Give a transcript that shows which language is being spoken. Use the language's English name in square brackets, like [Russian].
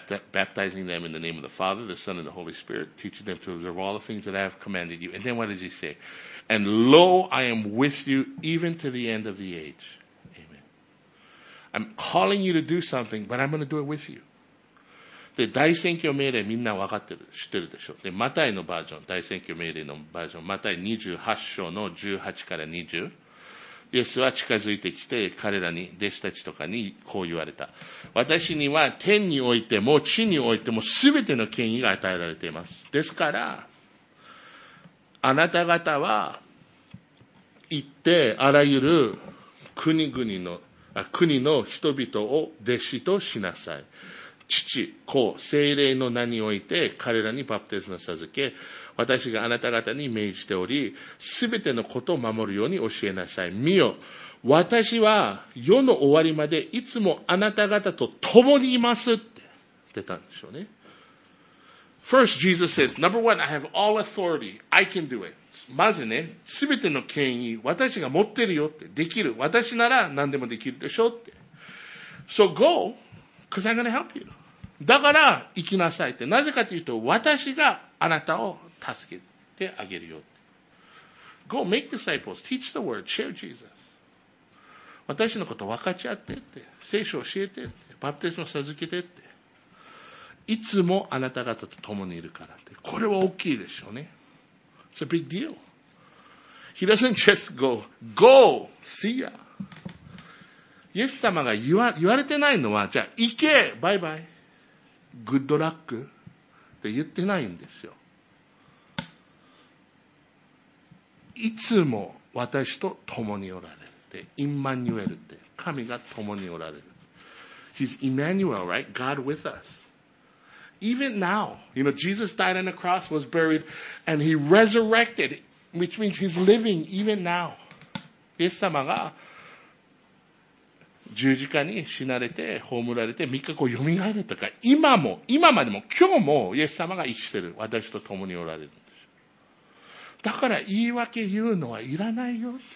[English] Baptizing them in the name of the Father, the Son, and the Holy Spirit, teaching them to observe all the things that I have commanded you. And then what does he say? And lo, I am with you even to the end of the age. I'm calling you to do something, but I'm going to do it with you. [Japanese] で、大宣教命令みんな分かってる、知ってるでしょ。で、マタイのバージョン、大宣教命令のバージョン、マタイ28章の18から20。イエスは近づいてきて、彼らに、弟子たちとかにこう言われた。私には天においても地においても全ての権威が与えられています。ですから、あなた方は、行って、あらゆる国々の国の人々を弟子としなさい。父、子、聖霊の名において彼らにバプテスマを授け、私があなた方に命じており、すべてのことを守るように教えなさい。見よ、私は世の終わりまでいつもあなた方と共にいますって出たんでしょうね。 [English] First, Jesus says, number one, I have all authority. I can do it. [Japanese] まずね、すべての権威、私が持ってるよって、できる。私なら何でもできるでしょって。 [English] So go, because I'm going to help you. [Japanese] だから、行きなさいって。なぜかというと、私があなたを助けてあげるよって。 [English] Go, make disciples, teach the word, share Jesus. [Japanese] 私のこと分かち合ってって、聖書教えてって、バプテスマを授けてって。いつもあなた方と共にいるからって。これは大きいでしょうね。 [English] It's a big deal. He doesn't just go, go, see ya. [Japanese] イエス様が言われてないのは、じゃあ行け、バイバイ、グッドラックって言ってないんですよ。いつも私と共におられるって。イマニュエルって。神が共におられる。 [English] He's Emmanuel, right? God with us. Even now, you know, Jesus died on the cross, was buried, and he resurrected, which means he's living even now. [Japanese] イエス様が十字架に死なれて、葬られて、3日後蘇られたか、今も、今までも、今日も、イエス様が生きてる。私と共におられるんです。だから、言い訳言うのはいらないよ。